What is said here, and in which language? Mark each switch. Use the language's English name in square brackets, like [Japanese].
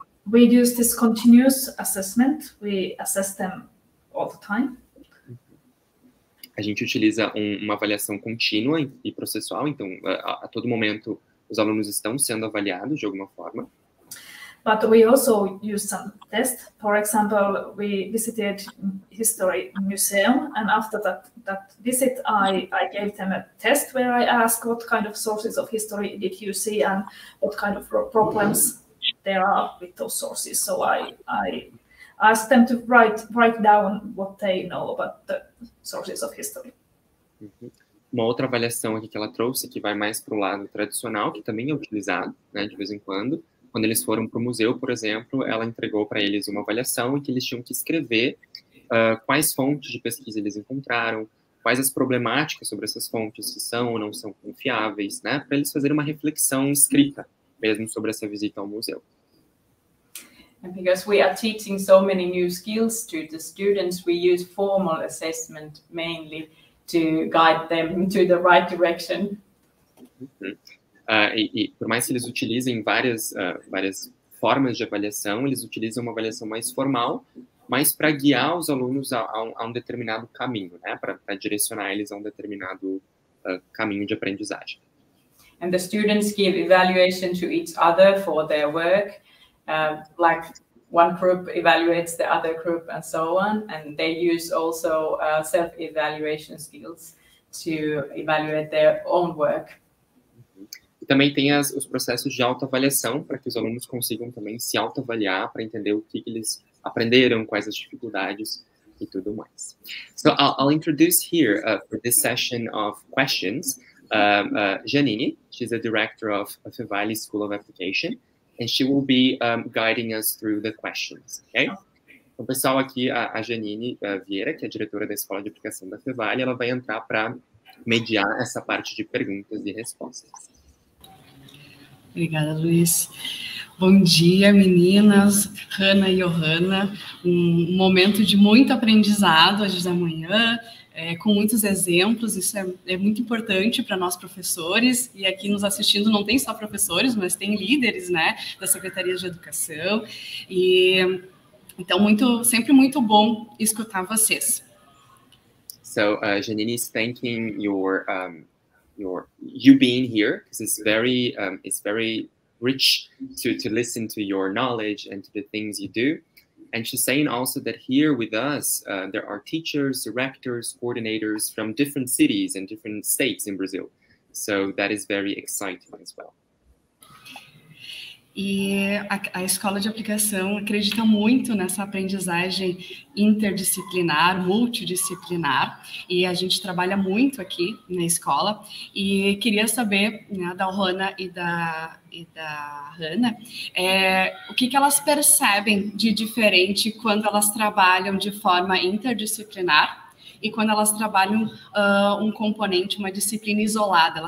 [English] We use this continuous assessment. We assess them all the time. [Portuguese] A gente utiliza uma avaliação contínua e processual. Então, a todo momento, os alunos estão sendo avaliados de alguma forma. [English] But we also use some tests. For example, we visited history museum, and after that visit, I gave them a test where I asked what kind of sources of history did you see and what kind of problems there are with those sources. So I asked them to write down what they know about the sources of history. [Portuguese] Uma outra avaliação aqui que ela trouxe, que vai mais para o lado tradicional, que também é utilizado, né, de vez em quando. Quando eles foram para o museu, por exemplo, ela entregou para eles uma avaliação em que eles tinham que escrever quais fontes de pesquisa eles encontraram, quais as problemáticas sobre essas fontes, se são ou não são confiáveis, né, para eles fazerem uma reflexão escrita mesmo sobre essa visita ao museu. [English] And because we are teaching so many new skills to the students, we use formal assessment mainly to guide them to the right direction. [Portuguese] E por mais que eles utilizem várias formas de avaliação, eles utilizam uma avaliação mais formal, mas para guiar os alunos a um determinado caminho, né? Para direcionar eles a um determinado caminho de aprendizagem. [English] And the students give evaluation to each other for their work, like one group evaluates the other group and so on, and they use also self-evaluation skills to evaluate their own work. [Portuguese] E também tem os processos de autoavaliação, para que os alunos consigam também se autoavaliar, para entender o que eles aprenderam, quais as dificuldades e tudo mais. [English] So I'll introduce here, for this session of questions, Janine. She's the director of Fevali School of Application, and she will be guiding us through the questions, okay? [Portuguese] Então, pessoal, aqui a Janine Vieira, que é diretora da Escola de Aplicação da Fevali, ela vai entrar para mediar essa parte de perguntas e respostas. Obrigada, Luiz. Bom dia, meninas, Hanna e Johanna. Um momento de muito aprendizado hoje da manhã, com muitos exemplos. Isso é muito importante para nós, professores. E aqui nos assistindo não tem só professores, mas tem líderes, né, da Secretaria de Educação. E, então, muito, sempre muito bom escutar vocês. [English] So, Janine is thanking you being here, because it's very rich to listen to your knowledge and to the things you do. And she's saying also that here with us, there are teachers, directors, coordinators from different cities and different states in Brazil. So that is very exciting as well. [Portuguese] E a Escola de Aplicação acredita muito nessa aprendizagem interdisciplinar, multidisciplinar, e a gente trabalha muito aqui na escola. E queria saber, né, da Johanna e da Hanna, o que elas percebem de diferente quando elas trabalham de forma interdisciplinar e quando elas trabalham um componente, uma disciplina isolada.